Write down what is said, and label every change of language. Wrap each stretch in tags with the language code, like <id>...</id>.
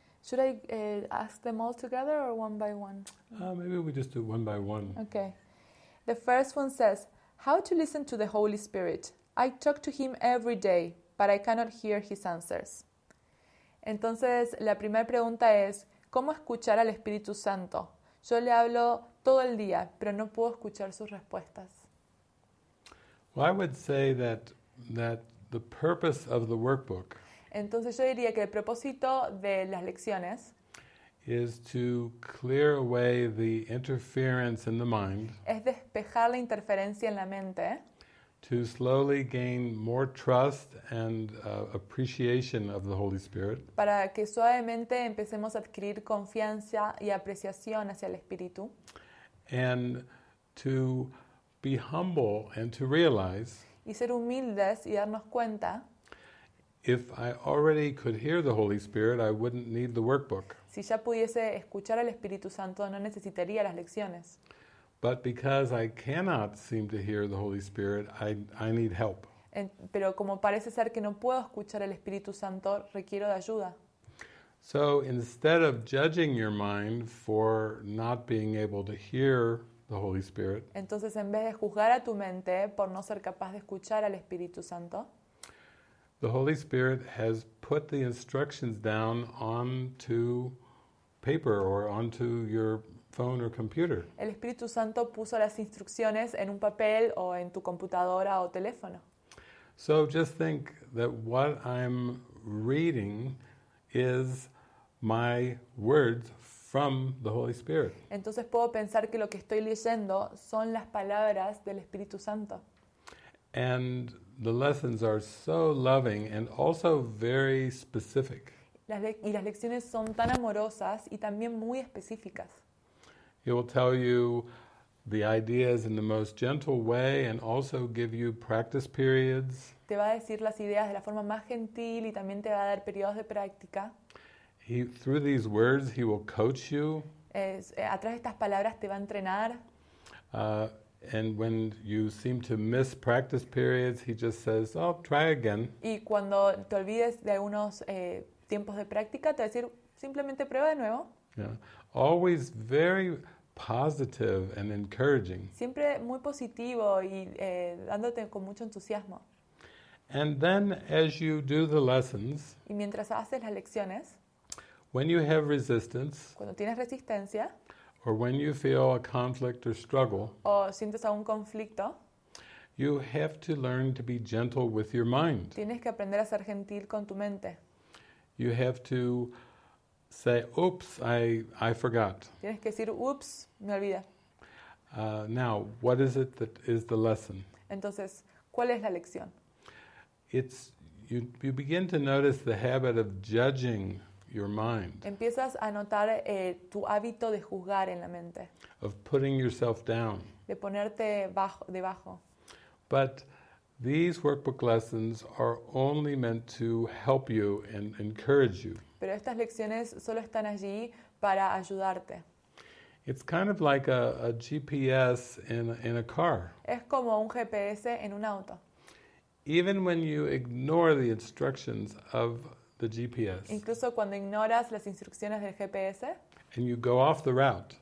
<en>Should I ask them all together or one by one? Maybe we just do one by one. Okay. The first one says, how to listen to the Holy Spirit? I talk to him every day, but I cannot hear his answers.</en> <es>Entonces, la primera pregunta es, ¿cómo escuchar al Espíritu Santo? Yo le hablo todo el día, pero no puedo escuchar sus respuestas.</es> <en>Well, I would say that the purpose of the workbook.</en> <es>Entonces yo diría que el propósito de las lecciones</es> <en>is to clear away the interference in the mind.</en> <es>Es despejar la interferencia en la mente.</es> <en>To slowly gain more trust and appreciation of the Holy Spirit.</en> <es>Para que suavemente empecemos a adquirir confianza y apreciación hacia el Espíritu.</es> <en>And to be humble and to realize.</en> <es>Y ser humildes y darnos cuenta.</es> <en>If I already could hear the Holy Spirit, I wouldn't need the workbook.</en> <es>Si ya pudiese escuchar al Espíritu Santo, no necesitaría las lecciones.</es> <en>But because I cannot seem to hear the Holy Spirit, I need help.</en> <es>Pero como parece ser que no puedo escuchar al Espíritu Santo, requiero de ayuda.</es> <en>So instead of judging your mind for not being able to hear the Holy Spirit,</en> <es>entonces en vez de juzgar a tu mente por no ser capaz de escuchar al Espíritu Santo,</es> <en>the Holy Spirit has put the instructions down onto paper or onto your phone or computer.</en> <es>El Espíritu Santo puso las instrucciones en un papel o en tu computadora o teléfono.</es> <en>So just think that what I'm reading is my words from the Holy Spirit.</en> <es>Entonces puedo pensar que lo que estoy leyendo son las palabras del Espíritu Santo.</es> <en>And the lessons are so loving and also very specific.</en> <es>Y las lecciones son tan amorosas y también muy específicas.</es> <en>It will tell you the ideas in the most gentle way and also give you practice periods.</en> <es>Te va a decir las ideas de la forma más gentil y también te va a dar periodos de práctica.</es> <en>Through these words, he will coach you.</en> <es>A través de estas palabras te va a entrenar.</es> <en>And when you seem to miss practice periods, he just says, oh, try again.</en> <es>Y cuando te olvides de algunos tiempos de práctica, te va a decir, simplemente prueba de nuevo.</es> <en>Yeah. Always very positive and encouraging.</en> <es>Siempre muy positivo y dándote con mucho entusiasmo.</es> <en>And then as you do the lessons,</en> <es>y mientras haces las lecciones,</es> <en>when you have resistance,</en> <es>cuando tienes resistencia,</es> <en>or when you feel a conflict or struggle,</en> <es>o sientes algún conflicto,</es> <en>you have to learn to be gentle with your mind.</en> <es>Tienes que aprender a ser gentil con tu mente.</es> <en>You have to say, oops, I forgot.</en> <es>Tienes que decir, oops, me olvidé.</es> <en>Now, what is it that is the lesson?</en> <es>Entonces, ¿cuál es la lección?</es> <en>It's, you begin to notice the habit of judging your mind.</en> <es>Empiezas a notar tu hábito de juzgar en la mente.</es> <en>Of putting yourself down.</en> <es>De ponerte debajo.</es> <en>But these workbook lessons are only meant to help you and encourage you.</en> <es>Pero estas lecciones solo están allí para ayudarte.</es> <en>It's kind of like a GPS in a car.</en> <es>Es como un GPS en un auto.</es> <en>Even when you ignore the instructions of the GPS.</en> <es>Incluso cuando ignoras las instrucciones del GPS.</es> <en>And you go off the route.</en>